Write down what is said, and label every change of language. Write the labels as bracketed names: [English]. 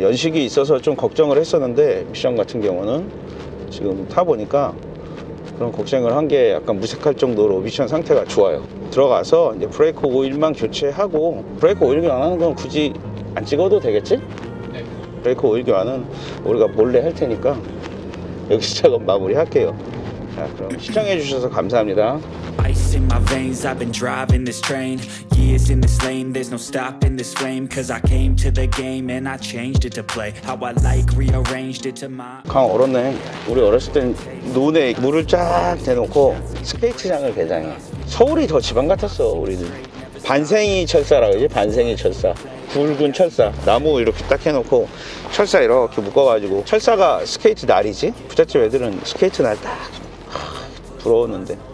[Korean] 연식이 있어서 좀 걱정을 했었는데 미션 같은 경우는 지금 타보니까 그런 걱정을 한 게 약간 무색할 정도로 미션 상태가 좋아요. 들어가서 이제 브레이크 오일만 교체하고 브레이크 오일 교환하는 건 굳이 안 찍어도 되겠지? 네. 브레이크 오일 교환은 우리가 몰래 할 테니까 여기서 작업 마무리할게요. 자, 그럼 시청해 주셔서 감사합니다. [English] Ice in my veins, I've been driving this train. Years in this lane, there's no stopping this flame. Cause I came to the game and I changed it to play. How I like rearranged it to my. [Korean] 강 얼었네. 우리 어렸을 땐 논에 물을 쫙 대놓고 스케이트장을 개장해. 서울이 더 지방 같았어, 우리는. 반생이 철사라고 하지, 반생이 철사. 굵은 철사. 나무 이렇게 딱 해놓고 철사 이렇게 묶어가지고. 철사가 스케이트 날이지? 부잣집 애들은 스케이트 날 딱. 부러웠는데.